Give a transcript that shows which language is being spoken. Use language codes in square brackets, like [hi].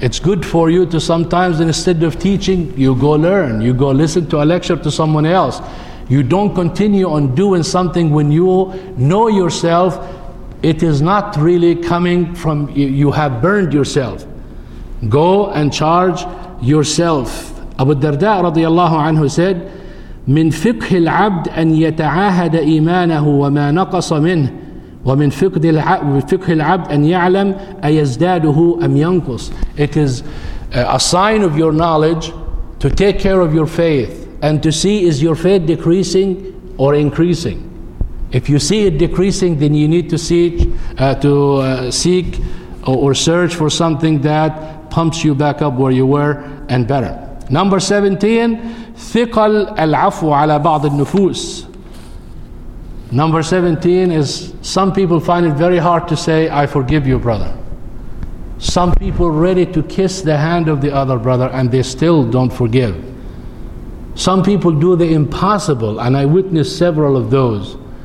[en] It's good for you to sometimes, instead of teaching, you go learn, you go listen to a lecture to someone else. You don't continue on doing something when you know yourself, it is not really coming from, you have burned yourself. Go and charge yourself. Abu Darda radiallahu anhu said, [ar] من فقه العبد أن يتعاهد إيمانه وما نقص منه ومن فقه العبد أن يعلم أيزداده أم ينقص. [en] It is a sign of your knowledge to take care of your faith and to see, is your faith decreasing or increasing? If you see it decreasing, then you need to see seek or search for something that pumps you back up where you were and better. Number 17, [ar] ثقل العفو على بعض النفوس. [en] Number 17 is some people find it very hard to say, I forgive you, brother. Some people ready to kiss the hand of the other brother and they still don't forgive. Some people do the impossible, and I witnessed several of those.